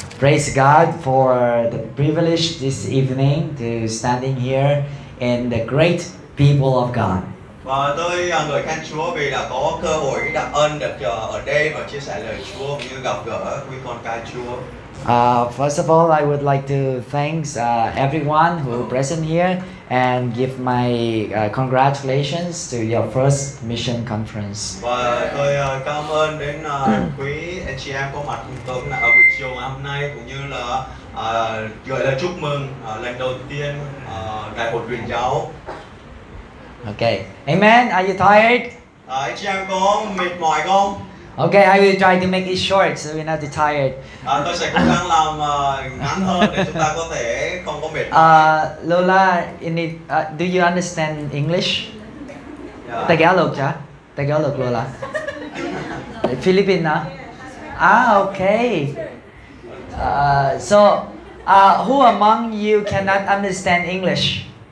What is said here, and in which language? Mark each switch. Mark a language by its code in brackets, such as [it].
[en] Praise God for the privilege this evening to standing here in the great people of God. [vi] Và tôi ngợi khen Chúa vì đã có cơ hội đặc ân được chờ ở đây và chia sẻ lời Chúa như gặp gỡ quý con cái Chúa. [en] First of all, I would like to thank everyone who is present here and give my congratulations to your first mission conference. [vi] Và tôi cảm ơn đến quý anh chị em có mặt cùng tôi ở buổi chiều ngày hôm nay cũng như là gửi lời chúc mừng lần đầu tiên đại hội truyền giáo. [en] Okay, amen. Are you tired? [vi] Anh chị em có mệt mỏi không? [en] Okay, I will try to make it short so we're not tired. [vi] Tôi sẽ cố gắng làm ngắn hơn để chúng ta có thể không có mệt. [en] Lola, do you understand English? Yeah. Tagalog, cha? Tagalog, Lola. Filipina? Ah, okay. So, who among you cannot understand English?